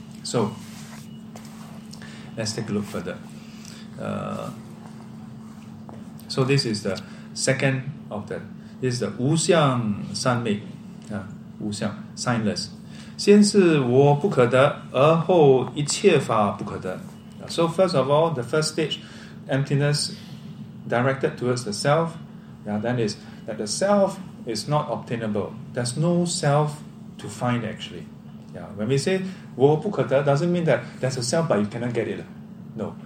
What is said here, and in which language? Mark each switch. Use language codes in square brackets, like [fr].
[en] So, let's take a look further. So this is the second of the, this is the 无相三昧, 无相, signless. [zh] 先是我不可得,而后一切法不可得. [en] So first of all, the first stage, emptiness directed towards the self, then is that the self is not obtainable. There's no self to find, actually. When we say 我不可得, doesn't mean that there's a self but you cannot get it. No.